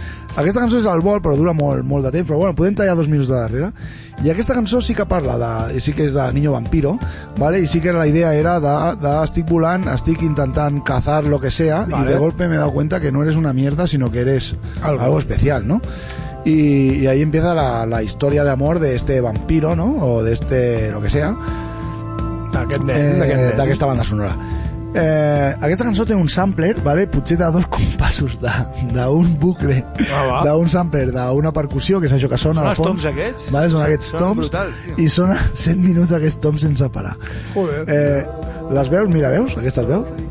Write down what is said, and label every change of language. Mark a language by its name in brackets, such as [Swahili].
[Catalan] Aquesta cançó és el vol, però dura molt de temps, però bueno, podem tallar 2 minuts de darrere. I aquesta cançó sí que parla sí que és de Niño Vampiro, ¿vale? I sí que la idea era de estic volant, estic intentant [Spanish] cazar lo que sea, vale. Y de golpe me he dado cuenta que no eres una mierda, sino que eres algo especial, ¿no? Y ahí empieza la historia de amor de este vampiro, ¿no? O de este lo que sea. [Catalan] D'aquesta banda sonora. Aquesta cançó té un sampler, ¿vale? Potser de dos compassos d'un bucle, d'un sampler d'una percussió, que és això que sona. Són els fons, toms aquests, ¿vale? Són aquests toms, brutals, i sona 100 minuts aquests toms sense parar. Les veus, mira, veus? Aquestes veus?